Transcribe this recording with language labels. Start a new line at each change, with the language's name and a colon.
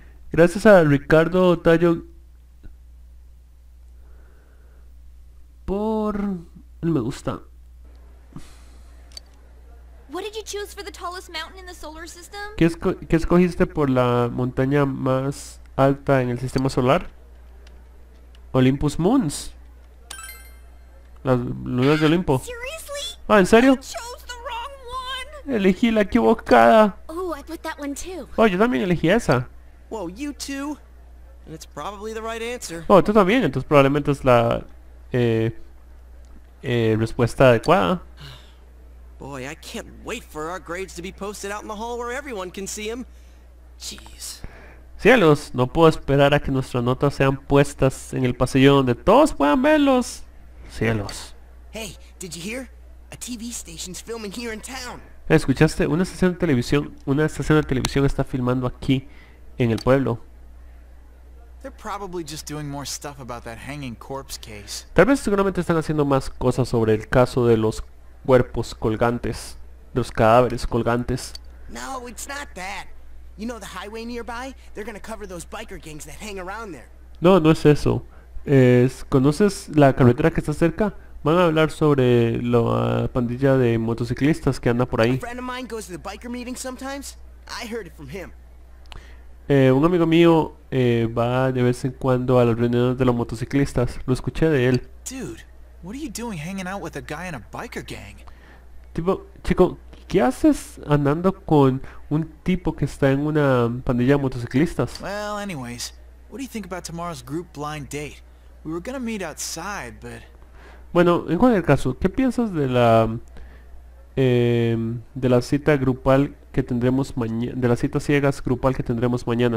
Spanish: Gracias a Ricardo Tallo por el me gusta.
English: What did you choose for the tallest mountain in the solar system?
Spanish: ¿Qué escogiste por la montaña más alta en el sistema solar? Olympus Moons. Las lunas de Olimpo.
English: Seriously?
Spanish: Ah, ¿en serio?
English: I chose the wrong one.
Spanish: Elegí la equivocada.
English: Oh, I put that one too.
Spanish: Oh, yo también elegí esa.
English: Whoa, you too. And it's probably the right answer.
Spanish: Oh, tú también, entonces probablemente es la respuesta adecuada.
English: Boy, I can't wait for our grades to be posted out in the hall where everyone can see them. Jeez.
Spanish: Cielos, no puedo esperar a que nuestras notas sean puestas en el pasillo donde todos puedan verlos. Cielos.
English: Hey, did you hear? A TV station's filming here in town.
Spanish: ¿Escuchaste? Una estación de televisión está filmando aquí en el pueblo.
English: They're probably just doing more stuff about that hanging corpse case.
Spanish: Tal vez seguramente están haciendo más cosas sobre el caso de los cuerpos colgantes, de los cadáveres colgantes.
English: No, it's not that. You know the highway nearby? They're gonna cover those biker gangs that hang around there.
Spanish: No, no es eso. ¿Conoces la carretera que está cerca? Van a hablar sobre la pandilla de motociclistas que anda por ahí.
English: A friend of mine goes to the biker meeting sometimes. I heard it from him.
Spanish: Un amigo mío va de vez en cuando a las reuniones de los motociclistas. Lo escuché de él.
English: Dude, what are you doing hanging out with a guy in a biker gang?
Spanish: Tipo, chico, ¿qué haces andando con un tipo que está en una pandilla de motociclistas?
English: Well, anyways, what do you think about tomorrow's group blind date? We were gonna meet outside, but
Spanish: bueno, en cualquier caso, ¿qué piensas de la cita grupal que tendremos mañana, de la cita ciegas grupal que tendremos mañana.